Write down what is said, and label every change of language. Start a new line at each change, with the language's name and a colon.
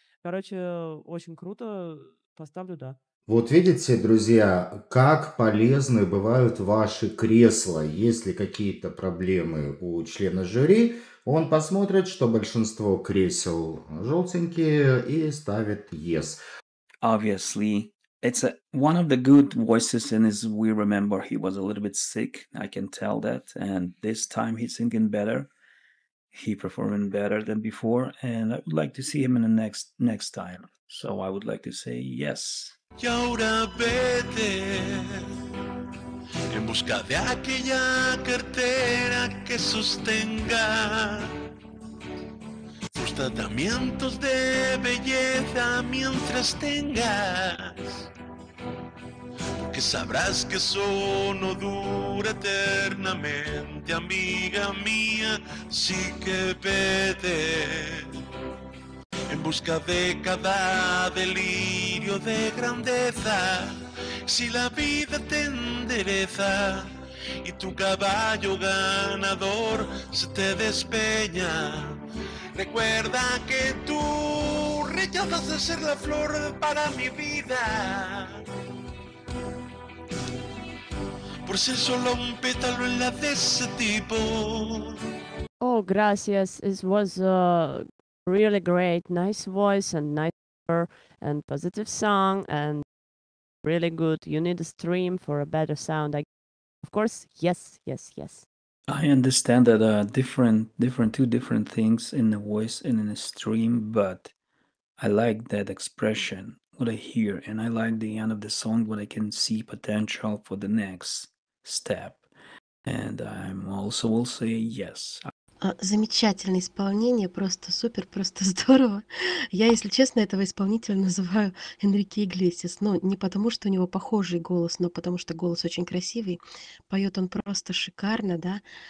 Russian: Короче, очень круто, поставлю, да. Вот видите, друзья, как полезны бывают ваши кресла. Если какие-то проблемы у члена жюри, он посмотрит, что большинство кресел желтенькие, и ставит yes.
English: Obviously, it's a, one of the good voices, and as we remember, he was a little bit sick. I can tell that. And this time he's singing better. He performing better than before. And I would like to see him in the next time. So I would like to say yes.
Spanish: Y ahora vete en busca de aquella cartera que sostenga tus tratamientos de belleza mientras tengas, porque sabrás que eso no dura eternamente, amiga mía, sí que vete. En busca de cada delirio de grandeza, si la vida te endereza y tu caballo ganador se te despeña, recuerda que tú rechazas de ser la flor para mi vida, por ser solo un pétalo en la de ese tipo. Oh, gracias.
English: It was really great, nice voice and nice and positive song and really good. You need a stream for a better sound. I, of course, yes, yes, yes. I understand that two different things in the voice and in the stream, but I like that expression, what I hear, and I like the end of the song, what I can see potential for the next step. And I'm also will say yes.
Russian: Замечательное исполнение, просто супер, просто здорово. Я, если честно, этого исполнителя называю Энрике Иглесиас. Но не потому, что у него похожий голос, но потому, что голос очень красивый. Поет он просто шикарно, да.